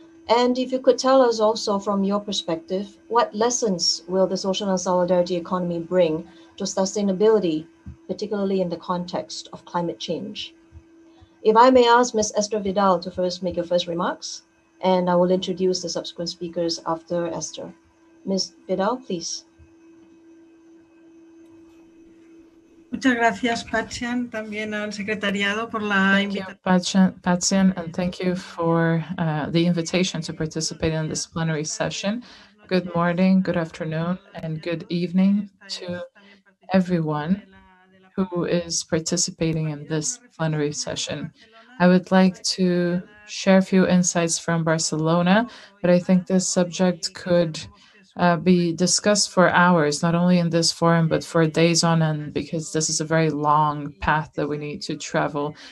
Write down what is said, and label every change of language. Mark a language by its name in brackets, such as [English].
[English] And if you could tell us also from your perspective, what lessons will the social and solidarity economy bring to sustainability, particularly in the context of climate change? If I may ask Ms. Esther Vidal to first make your first remarks, and I will introduce the subsequent speakers after Esther. Ms. Vidal, please. [Spanish] Muchas gracias, Patsian, también al secretariado por la invitación. [English] Patsian, and thank you for the invitation to participate in this plenary session. Good morning, good afternoon, and good evening to everyone who is participating in this plenary session. I would like to share a few insights from Barcelona, but I think this subject could be discussed for hours, not only in this forum, but for days on end, because this is a very long path that we need to travel.